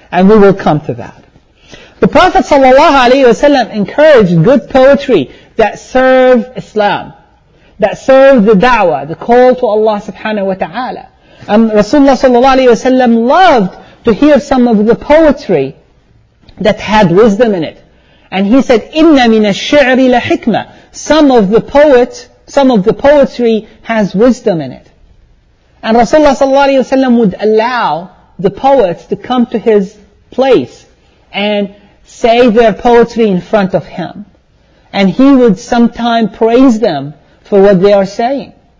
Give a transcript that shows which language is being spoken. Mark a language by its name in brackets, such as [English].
[English] And we will come to that. The Prophet sallallahu alayhi wa sallam encouraged good poetry that serve Islam, that serve the da'wah, the call to Allah subhanahu wa ta'ala. And Rasulullah sallallahu alayhi wa sallam loved to hear some of the poetry that had wisdom in it. And he said, [Arabic] إِنَّ مِنَ الشِّعْرِ لَحِكْمَةً. [English] Some of the poetry has wisdom in it. And Rasulullah sallallahu alayhi wa sallam would allow the poets to come to his place and say their poetry in front of him. And he would sometime praise them for what they are saying.